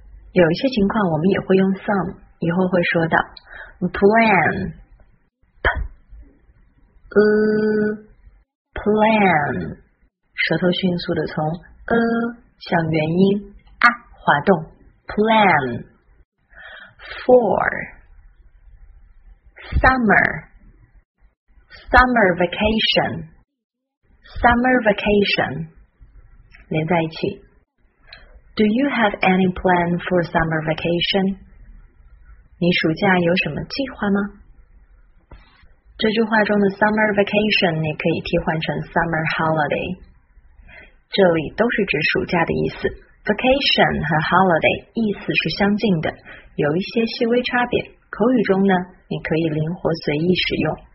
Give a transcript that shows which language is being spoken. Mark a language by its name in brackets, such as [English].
[Chinese] 有一些情况我们也会用 some， 以后会说到 plan， 舌头迅速的从向元音滑动 plan。 [English] For summer vacation [Chinese] 连在一起。 [English] Do you have any plan for summer vacation? [Chinese] 你暑假有什么计划吗？这句话中的 summer vacation 你可以替换成 summer holiday， 这里都是指暑假的意思。 vacation 和 holiday 意思是相近的，有一些细微差别，口语中呢你可以灵活随意使用。